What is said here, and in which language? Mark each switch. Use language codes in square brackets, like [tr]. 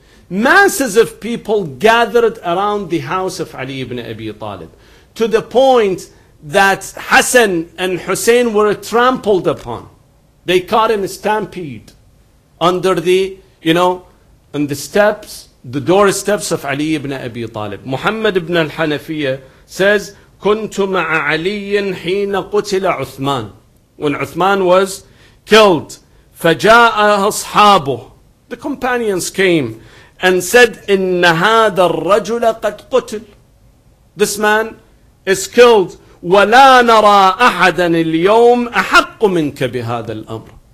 [en] Masses of people gathered around the house of Ali ibn Abi Talib to the point that Hassan and Hussein were trampled upon. They caught in a stampede under the, on the steps, the doorsteps of Ali ibn Abi Talib. Muhammad ibn al-Hanafiyyah says, [ar] كُنْتُ مَعَ عَلِيٍّ حِينَ قُتِلَ عُثْمَانِ. [en] When Uthman was killed, [ar] فَجَاءَ أَصْحَابُهُ. [en] The companions came and said, [ar] إِنَّ هَذَا الرَّجُلَ قَدْ قُتِلَ. [en] This man is killed. [ar] وَلَا نَرَى أَحَدًا الْيَوْمَ أَحَقُّ مِنْكَ بِهَذَا الْأَمْرِ.